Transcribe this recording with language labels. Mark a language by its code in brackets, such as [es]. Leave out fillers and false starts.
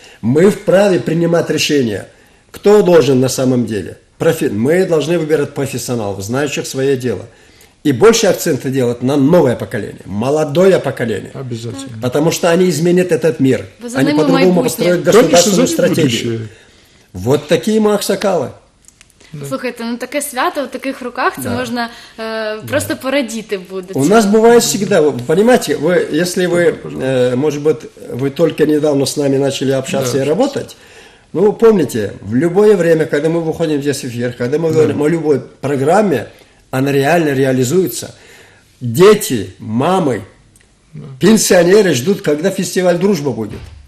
[ru] Мы вправе принимать решения, кто должен на самом деле. Мы должны выбирать профессионалов, знающих свое дело. И больше акцента делать на новое поколение, молодое поколение. Обязательно. Потому что они изменят этот мир. Вы они по-другому построят государственную стратегию. Вот такие мы аксакалы. Да. [uk] Слухайте, ну таке свято в таких руках, це можна просто порадіти буде. [ru] У нас буває всегда, вы понимаете, вы, если вы, может быть, вы только недавно с нами начали общаться и работать, ну, помните, в любое время, когда мы выходим здесь в эфир, когда мы говорим о любой программе, она реально реализуется, дети, мамы, пенсионеры ждут, когда фестиваль «Дружба» будет.